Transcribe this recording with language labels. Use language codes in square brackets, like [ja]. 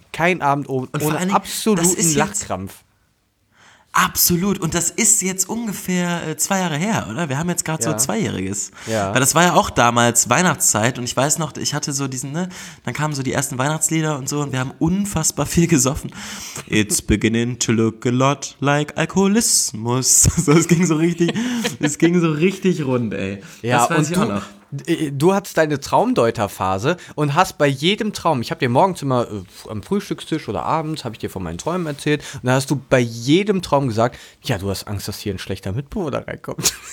[de] Kein Abend ohne absoluten Lachkrampf. Absolut. Und das ist jetzt ungefähr 2 Jahre her, oder? Wir haben jetzt gerade so Zweijähriges. Ja. Weil das war ja auch damals Weihnachtszeit. Und ich weiß noch, ich hatte so diesen, ne? Dann kamen so die ersten Weihnachtslieder und so. Und wir haben unfassbar viel gesoffen. [en] It's beginning to look a lot like [de] Alkoholismus. So, es ging so richtig rund, ey. Ja, das weiß ich auch noch. Du hattest deine Traumdeuterphase und hast bei jedem Traum, ich habe dir morgens immer am Frühstückstisch oder abends, habe ich dir von meinen Träumen erzählt, und da hast du bei jedem Traum gesagt, ja, du hast Angst, dass hier ein schlechter Mitbewohner reinkommt.